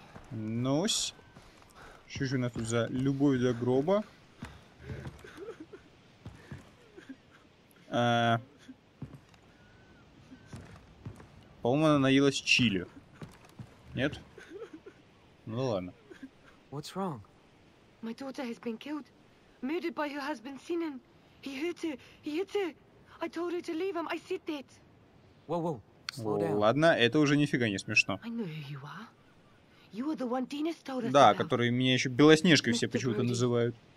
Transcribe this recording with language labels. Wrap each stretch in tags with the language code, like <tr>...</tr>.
<ru>Нось. Что же у нас тут за любовь для гроба? По-моему, она наелась чили. Нет? Ну ладно.</ru> <en>What's wrong? My daughter has been killed. Murdered by her husband Sinan. He hurt her. He hit her. I told her to leave him. I said that. Whoa.</en> <ru>Ладно, это уже нифига не смешно.</ru> <en>I know who you are.</en> <ru>Да, который меня еще Белоснежкой все почему-то называют.</ru>